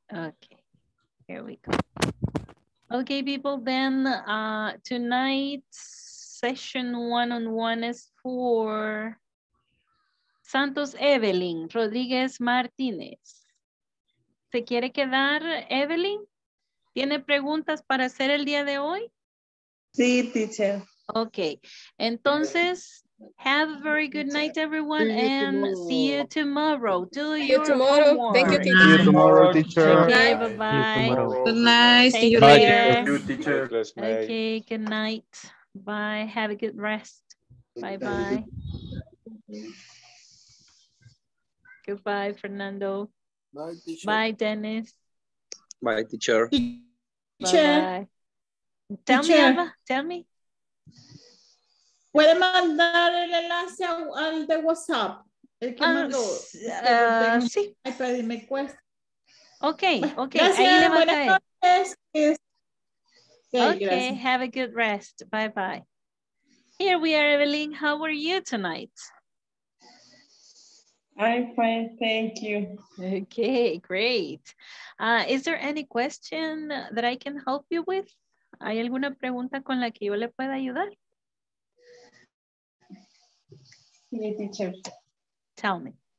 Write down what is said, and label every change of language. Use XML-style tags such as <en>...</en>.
<en>Okay, here we go. Okay, people, then tonight's session one-on-one is for Santos Evelyn Rodríguez Martínez.</en> <es>¿Se quiere quedar, Evelyn? ¿Tiene preguntas para hacer el día de hoy? Sí, teacher.</es> <en>Okay,</en> <es>entonces,</es> <en>have a very good night, everyone, and see you tomorrow. Do see your tomorrow. Homework. Thank you, teacher. See you tomorrow, teacher. Okay, bye-bye. Good night. See you later. Thank you, teacher. Okay, good night. Bye. Have a good rest. Bye-bye. Goodbye, Fernando. Bye, teacher. Bye, Dennis. Bye, teacher. Tell me, Eva.</en> <es>¿Puede mandar el enlace al de WhatsApp? El que mandó. Sí. Ay, pero me cuesta.</es> <en>Okay.</en> <es>Gracias, ahí buenas noches.</es> <en>Okay, have a good rest. Bye-bye. Here we are, Evelyn. How are you tonight? I'm fine, thank you. Okay, great. Is there any question that I can help you with?</en> <es>¿Hay alguna pregunta con la que yo le pueda ayudar? Sí, teacher.</es> <en>Tell me.</en>